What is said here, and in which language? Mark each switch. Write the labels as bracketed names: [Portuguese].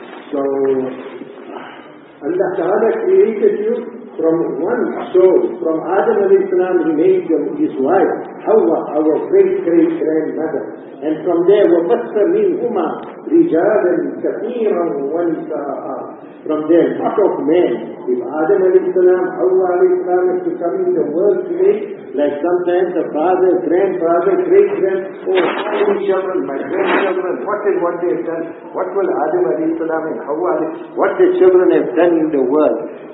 [English] So, Allah Ta'ala created you from one soul, from Adam alayhi salam, he made you his wife, Hawa, our great-great-grandmother. And from there, [Arabic] وَبَثَّ مِنْهُمَا رِجَالًا كَثِيرًا وَنِسَاءً. [English] From there, lot of men. If Adam alayhi salam, Hawa alayhi salam is to come in the world today, like sometimes a father, grandfather, great-grandfather, oh, my children, my grandchildren, what and what they have done, what will Adam alayhi salam and Hawa alayhi salam, what the children have done in the world.